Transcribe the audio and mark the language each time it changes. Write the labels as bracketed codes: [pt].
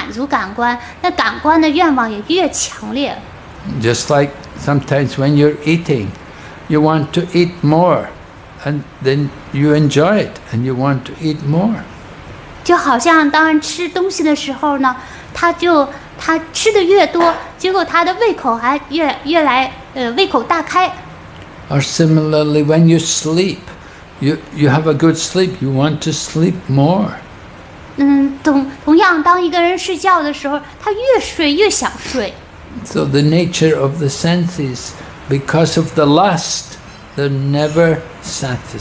[zh] 但是它却不是这样形式的。一个人越是去满足感官，那感官的愿望也越强烈。 [en] Just like sometimes when you're eating, you want to eat more. And then you enjoy it, and you want to eat more. [zh] 就好像当吃东西的时候呢，他吃的越多，结果他的胃口还越来胃口大开。 [en] Or similarly, when you sleep, you have a good sleep, you want to sleep more. [zh] 同样，当一个人睡觉的时候，他越睡越想睡。 [en] So the nature of the senses, because of the lust, they're never satisfied.